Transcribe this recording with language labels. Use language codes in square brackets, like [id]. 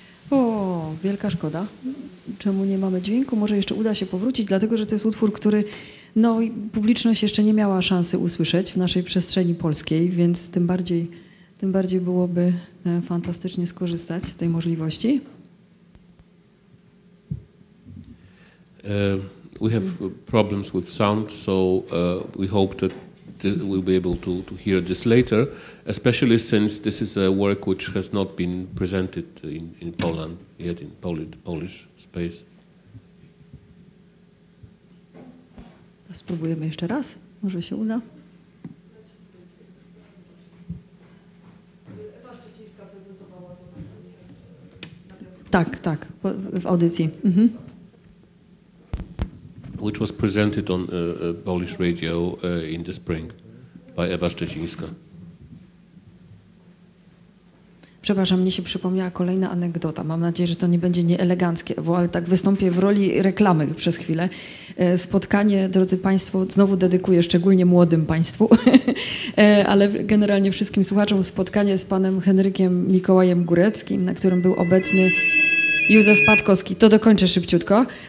[pl] O, wielka szkoda. Czemu nie mamy dźwięku? Może jeszcze uda się powrócić, dlatego że to jest utwór, który no, publiczność jeszcze nie miała szansy usłyszeć w naszej przestrzeni polskiej, więc tym bardziej byłoby fantastycznie skorzystać z tej możliwości. [en] We have problems with sound, so we hope that we'll be able to hear this later, especially since this is a work which has not been presented in Poland yet, in Polish space. [pl] Spróbujemy jeszcze raz, może się uda. Tak, w audycji. Mhm. [en] Which was presented on Polish radio in the spring by Ewa Szczecińska. [pl] Przepraszam, mnie się przypomniała kolejna anegdota. Mam nadzieję, że to nie będzie nieeleganckie, bo ale tak wystąpię w roli reklamy przez chwilę. Spotkanie, drodzy Państwo, znowu dedykuję szczególnie młodym Państwu, ale generalnie wszystkim słuchaczom, spotkanie z panem Henrykiem Mikołajem Góreckim, na którym był obecny Józef Patkowski, to dokończę szybciutko.